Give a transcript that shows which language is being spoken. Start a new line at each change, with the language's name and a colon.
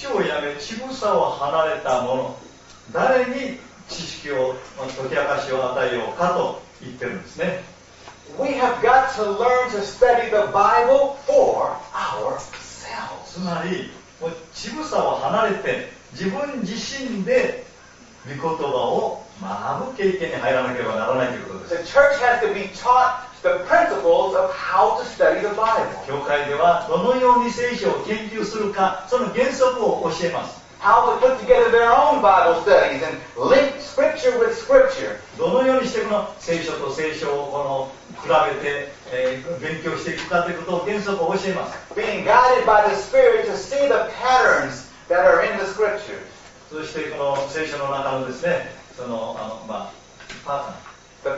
Japanese: ある乳房を離れた者、誰に知識を、解き明かしを与えようかと言ってるんですね。
English: We have got to learn to study the Bible for ourselves.
Japanese: つまり、乳房を離れて、自分自身で御言葉を学ぶ経験に入らなければならないということです。
English: The church has to be taught the principles of how to study the Bible.
Japanese: 教会では、どのように聖書を研究するか、その原則を教えます。
English: How to put together their own Bible studies and link scripture with scripture.
Japanese: どのようにしてこの聖書と聖書をこの比べて、勉強していくかということを原則を教えます。
English: Being guided by the Spirit to see the patterns that are in the scriptures.
Japanese: そしてこの聖書の中のですね、その、まあ、パターン。